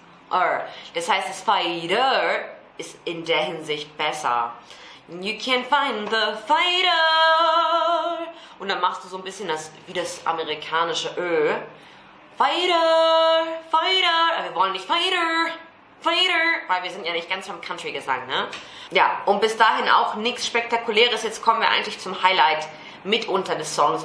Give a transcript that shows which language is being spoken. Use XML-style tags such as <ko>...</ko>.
<de>Fighter! Das heißt, das Fighter ist in der Hinsicht besser.</de> <en>You can't find the fighter.</en> <de>Und dann machst du so ein bisschen das, wie das amerikanische Ö. Fighter, fighter. Aber wir wollen nicht fighter, fighter. Weil wir sind ja nicht ganz vom Country-Gesang, ne? Ja, und bis dahin auch nichts Spektakuläres. Jetzt kommen wir eigentlich zum Highlight mitunter des Songs.</de>